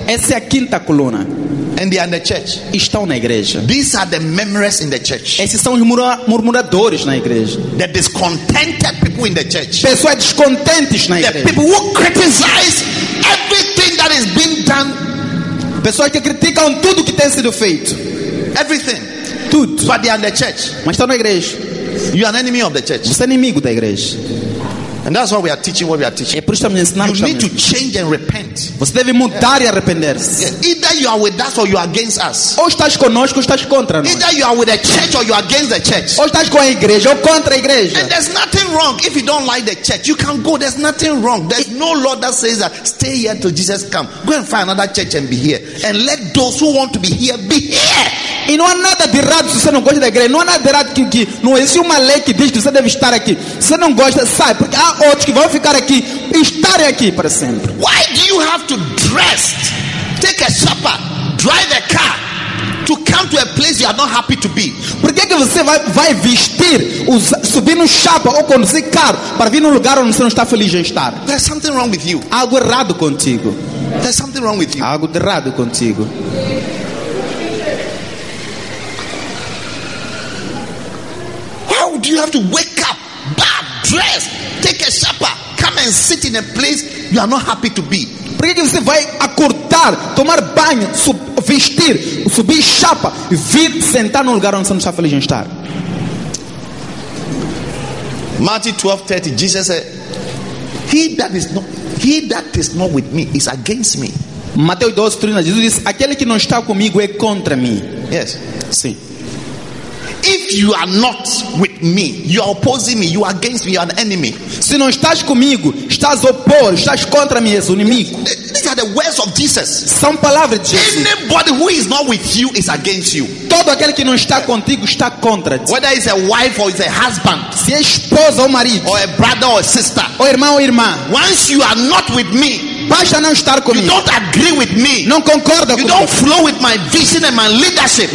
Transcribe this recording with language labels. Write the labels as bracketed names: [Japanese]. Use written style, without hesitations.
[Portuguese] Essa é a quinta coluna. [English] And they are in the church. [Portuguese] Estão na igreja. [English] These are the murmurers in the church. [Portuguese] Esses são os murmuradores na igreja. [English] The discontented people in the church. [Portuguese] Pessoas descontentes na igreja. [English] The people who criticize everything that is being done. [Portuguese] Pessoas que criticam tudo que tem sido feito. [English] Everything. [Portuguese] Tudo. [English] But they are in the church. [Portuguese] Mas estão na igreja. [English] You are an enemy of the church. [Portuguese] Você é inimigo da igreja. [English] And that's why we are teaching what we are teaching. You need to change and repent. [Portuguese] Você deve mudar e arrepender-se. [English] Either you are with us or you are against us. [Portuguese] Ou estás conosco ou estás contra nós. [English] Either you are with the church or you are against the church. [Portuguese] Ou estás com a igreja ou contra a igreja. [English] And there's nothing wrong if you don't like the church. You can go. There's nothing wrong. There's no law that says that stay here till Jesus comes. Go and find another church and be here. And let those who want to be here be here. [Portuguese] E não há nada de errado se você não gosta da igreja. Não há nada de errado que não existe uma lei que diz que você deve estar aqui. Se você não gosta, sai. Porque há outros que vão ficar aqui e estarem aqui para sempre. [English] Why do you have to dress, take a supper, drive a car to come to a place you are not happy to be? [Portuguese] Por que que você vai vestir, subir no chapa ou conduzir carro para vir num lugar onde você não está feliz em estar? [English] There's something wrong with you. [Portuguese] Algo errado contigo. [English] There's something wrong with you. [Portuguese] Algo errado contigo. [English] Do you have to wake up, bath, dress, take a shower, come and sit in a place you are not happy to be? [Portuguese] Por que você vai acordar, tomar banho, vestir, subir chapa, vir sentar no lugar onde você não está feliz em estar? [English] Matthew 12:30, Jesus said, He that is not with me is against me. [Portuguese] Mateus 12:30, Jesus diz, aquele que não está comigo é contra mim. [English] Yes. [Portuguese] Sim. [English] If you are not with me, you are opposing me, you are against me, you are an enemy. [Portuguese] Se não estás comigo, estás opor, estás contra mim, és inimigo. [English] These are the words of Jesus. [Portuguese] São palavras de Jesus. [English] Anybody who is not with you is against you. [Portuguese] Todo aquele que não está contigo está contra ti. [English] Whether it's a wife or it's a husband. [Portuguese] Se é esposa ou marido. [English] Or a brother or a sister. [Portuguese] Ou irmão ou irmã. [English] Once you are not with me, [Portuguese] basta não estar comigo. [English] You don't agree with me. [Portuguese] Não concorda comigo. [English] You don't flow with my vision and my leadership.